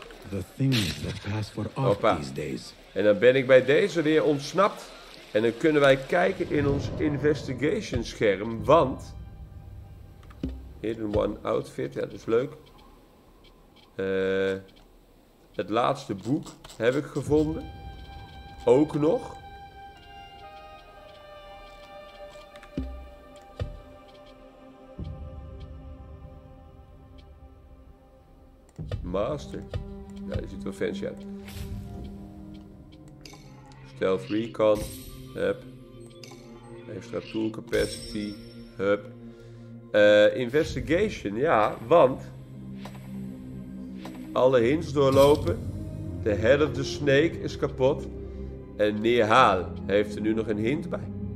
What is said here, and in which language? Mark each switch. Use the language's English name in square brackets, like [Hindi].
[English] The things that pass for off these days. [Dutch] En dan ben ik bij deze weer ontsnapt. En dan kunnen wij kijken in ons investigation scherm, want... Hidden One Outfit, ja, dat is leuk. Het laatste boek heb ik gevonden. Ook nog. Master. Ja, die ziet wel fancy uit. [English] Stealth Recon. Hup. Extra tool capacity. Hup. [Dutch] Investigation. Ja, want... Alle hints doorlopen. [English] The head of the snake is [Dutch] kapot. En Nihal heeft er nu nog een hint bij.